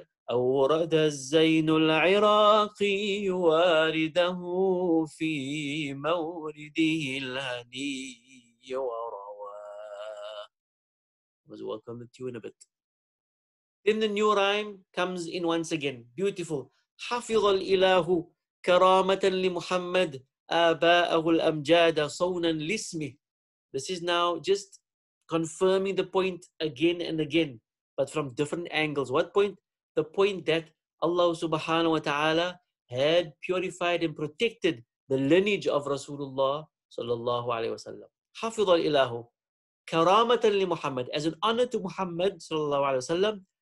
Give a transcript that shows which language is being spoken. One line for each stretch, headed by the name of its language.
Arabic: أورد الزين العراقي وارده في مورده الهني وروى.
English: Was welcome the tune a bit. Then the new rhyme comes in once again. Beautiful.
Arabic: حفظ الإله كرامة لمحمد آباءه الأمجاد صونا لاسمه.
English: This is now just confirming the point again and again, but from different angles. What point? The point that Allah subhanahu wa ta'ala had purified and protected the lineage of Rasulullah sallallahu alayhi wa sallam.
Arabic: حفظ الإله كرامة لمحمد,
English: as an honor to Muhammad sallallahu alayhi wa sallam.